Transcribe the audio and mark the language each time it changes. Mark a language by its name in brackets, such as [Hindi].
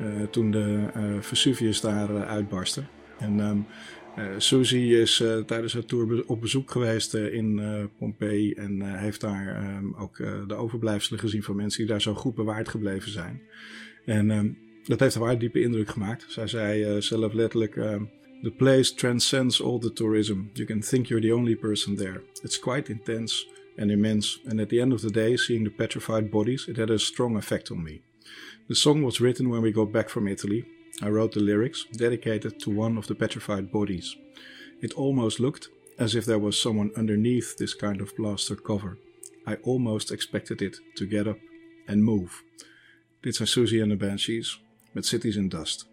[Dutch] Toen de Vesuvius daar uitbarstte. En Susie is tijdens haar tour op bezoek geweest in Pompeii. En heeft daar ook de overblijfselen gezien van mensen die daar zo goed bewaard gebleven zijn. En dat heeft haar diepe indruk gemaakt. Zij zei zelf letterlijk... [English] The place transcends all the tourism. You can think you're the only person there. It's quite intense and immense. And at the end of the day, seeing the petrified bodies, it had a strong effect on me. The song was written when we got back from Italy. I wrote the lyrics, dedicated to one of the petrified bodies. It almost looked as if there was someone underneath this kind of plaster cover. I almost expected it to get up and move. [Dutch] Dit zijn Susie and the Banshees met Cities in Dust.